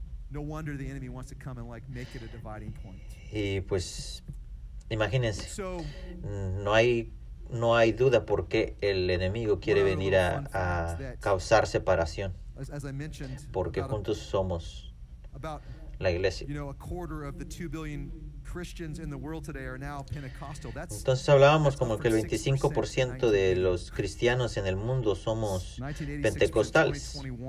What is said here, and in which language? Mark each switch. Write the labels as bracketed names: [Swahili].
[English] No wonder the enemy wants to come and like make it a dividing point. [Spanish] Y pues imagínense. No hay duda por qué el enemigo quiere venir a causar separación. Porque juntos somos la iglesia. [English] You know, a quarter of the 2 billion Christians in the world today are now Pentecostal. [Spanish] Entonces hablábamos como que el 25% de los cristianos en el mundo somos pentecostales.